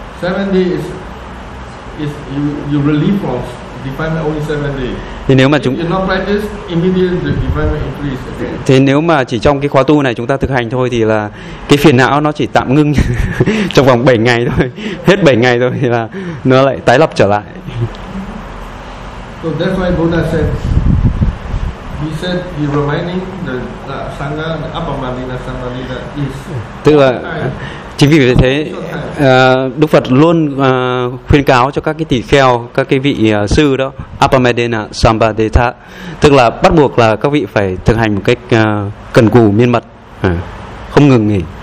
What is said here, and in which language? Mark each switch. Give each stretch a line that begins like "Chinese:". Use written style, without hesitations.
English: 7 days is you relieve from defilement only 7 days.
Vietnamese: Thì nếu mà chúng
English: if you're not practice, immediately the defilement increase again.
Vietnamese: Thế nếu mà chỉ trong cái khóa tu này chúng ta thực hành thôi thì là cái phiền não nó chỉ tạm ngưng trong vòng 7 ngày thôi. Hết 7 ngày thôi thì là nó lại tái lập trở lại.
English: So that's why Buddha said, he said he reminding the Sangha, the Upper Mandina Sangha leader is.
Vietnamese: Tức là chính vì thế Đức Phật luôn khuyên cáo cho các cái tỳ kheo, các cái vị sư đó,
Pali: Appamedana Sambandhita,
Vietnamese: tức là bắt buộc là các vị phải thực hành một cách cần cù miên mật, không ngừng nghỉ.